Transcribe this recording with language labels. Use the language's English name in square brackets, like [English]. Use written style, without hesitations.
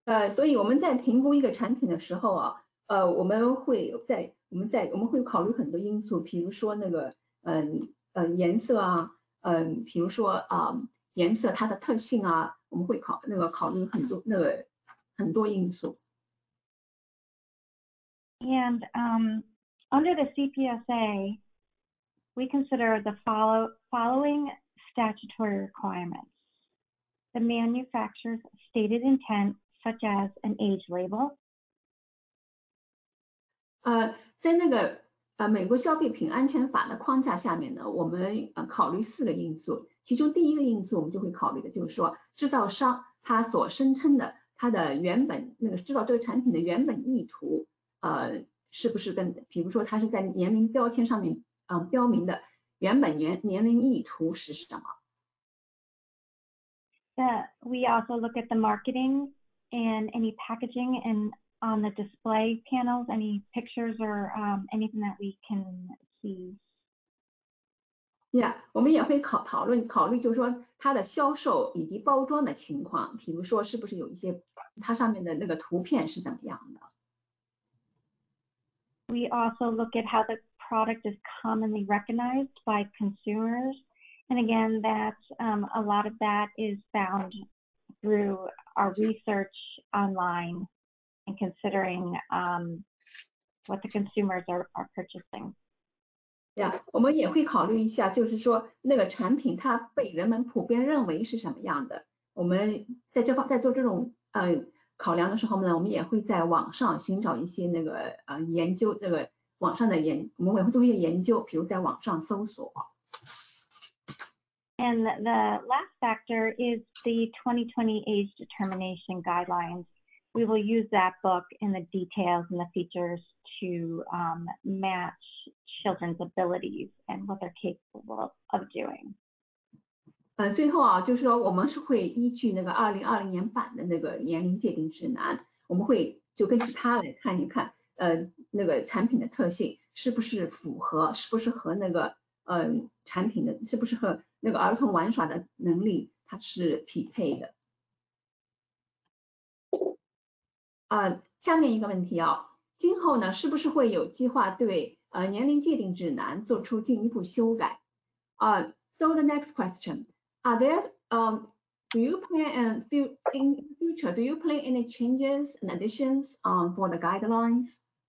[Chinese] 所以我们在评估一个产品的时候啊，我们会考虑很多因素，比如说那个颜色啊，比如说颜色它的特性啊，我们会考虑很多因素。 [English] And under the CPSA, we consider the following statutory requirements: the manufacturer's stated intent, such as an age label. [Chinese] 在那个美国消费品安全法的框架下面呢，我们考虑四个因素。其中第一个因素我们就会考虑的就是说制造商他所声称的他的原本那个制造这个产品的原本意图是不是跟比如说他是在年龄标签上面标明的原本年龄意图是什么。 [English] We also look at the marketing and any packaging and on the display panels, any pictures or anything that we can see. [Chinese] Yeah, 我们也会考虑就是说它的销售以及包装的情况，比如说是不是有一些它上面的那个图片是怎么样的。 [English] We also look at how the product is commonly recognized by consumers. And again, that's a lot of that is found through our research online and considering what the consumers are purchasing. [Chinese] Yeah, 我们也会考虑一下就是说那个产品它被人们普遍认为是什么样的，我们在做这种考量的时候呢，我们也会在网上寻找一些那个研究，那个网上的研，我们也会做一些研究，比如在网上搜索。 [English] And the last factor is the 2020 age determination guidelines. We will use that book and the details and the features to matchChildren's abilities and what they're capable of doing. [Chinese] 最后啊，就是说我们是会依据那个2020年版的那个年龄界定指南，我们会就根据它来看一看，那个产品的特性是不是符合，是不是和那个产品的，是不是和那个儿童玩耍的能力它是匹配的。下面一个问题啊，今后呢，是不是会有计划对年龄界定指南做出进一步修改？ [English] So the next question, are there do you plan in future? Do you plan any changes and additions for the guidelines?